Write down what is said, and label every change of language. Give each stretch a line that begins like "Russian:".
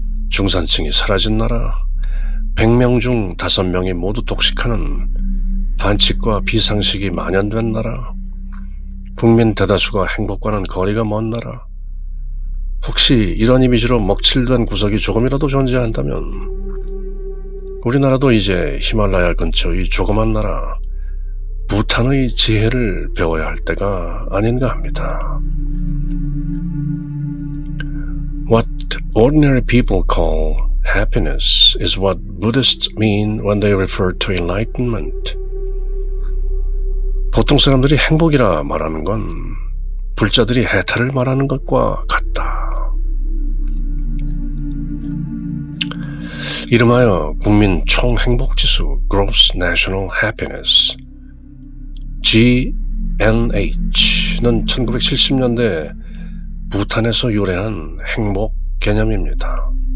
Korean: 중산층이 사라진 나라, 100명 중 5명이 모두 독식하는 반칙과 비상식이 만연된 나라, 국민 대다수가 행복과는 거리가 먼 나라, 혹시 이런 이미지로 먹칠된 구석이 조금이라도 존재한다면 우리나라도 이제 히말라야 근처의 조그만 나라 부탄의 지혜를 배워야 할 때가 아닌가 합니다.
English: What ordinary people call happiness is what Buddhists mean when they refer to enlightenment.
Korean: 보통 사람들이 행복이라 말하는 건 불자들이 해탈을 말하는 것과 같다. 이름하여 국민 총행복지수 Gross National Happiness GNH는 1970년대 부탄에서 유래한 행복 개념입니다.